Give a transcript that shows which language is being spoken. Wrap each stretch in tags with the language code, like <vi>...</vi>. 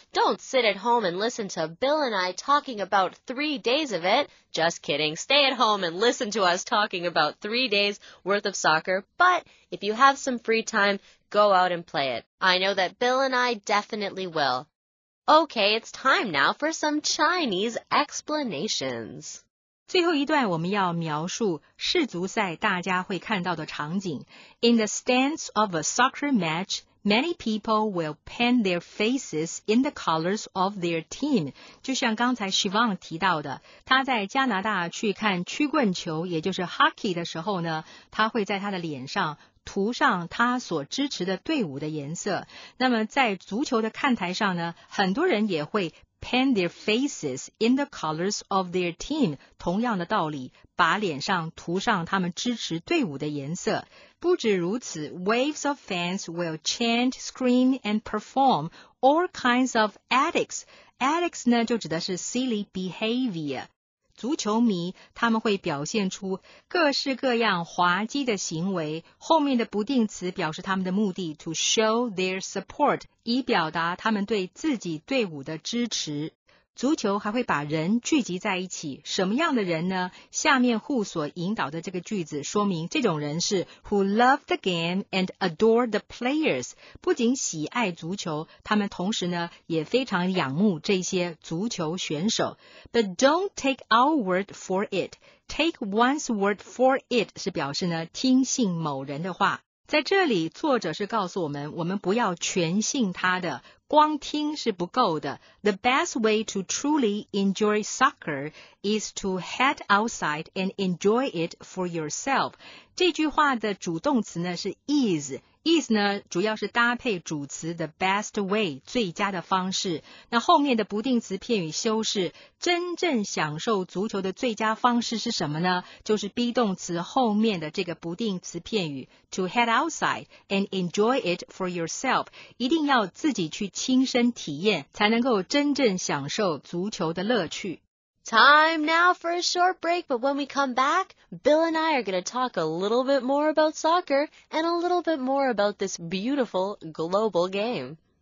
<en>Don't sit at home and listen to Bill and I talking about 3 days of it. Just kidding. Stay at home and listen to us talking about 3 days worth of soccer. But if you have some free time, go out and play it. I know that Bill and I definitely will. Okay, it's time now for some Chinese explanations.</en> <zh>最后一段我们要描述世足赛大家会看到的场景。</zh> <en>In the stands of a soccer match, many people will paint their faces in the colors of their team.</en> <zh>就像刚才 Siobhan 提到的，他在加拿大去看曲棍球，也就是 hockey 的时候呢，他会在他的脸上涂上他所支持的队伍的颜色。那么在足球的看台上呢，很多人也会</zh> <en>paint their faces in the colors of their team.</en> <zh>同样的道理，把脸上涂上他们支持队伍的颜色。不止如此，</zh> <en>waves of fans will chant, scream, and perform all kinds of antics.</en> <zh>Antics 呢，就指的是</zh> <en>silly behavior.</en> <zh>足球迷他们会表现出各式各样滑稽的行为。后面的不定词表示他们的目的，</zh> <en>to show their support.</en> <zh>以表达他们对自己队伍的支持。足球还会把人聚集在一起，什么样的人呢？下面 who 所引导的这个句子说明这种人是</zh> <en>who love the game and adore the players，</en> <zh>不仅喜爱足球，他们同时呢也非常仰慕这些足球选手。</zh> <en>But don't take our word for it. Take one's word for it</en> <zh>是表示呢听信某人的话。在这里作者是告诉我们，我们不要全信他的，光听是不够的。</zh> <en>The best way to truly enjoy soccer is to head outside and enjoy it for yourself.</en> <zh>这句话的主动词呢是 is。is 呢主要是搭配主词</zh> <en>the best way</en> <zh>最佳的方式，那后面的不定词片语修饰真正享受足球的最佳方式是什么呢？就是 be 动词后面的这个不定词片语</zh> <en>to head outside and enjoy it for yourself，</en> <zh>一定要自己去亲身体验才能够真正享受足球的乐趣。</zh> <en>Time now for a short break, but when we come back, Bill and I are going to talk a little bit more about soccer and a little bit more about this beautiful global game.</en>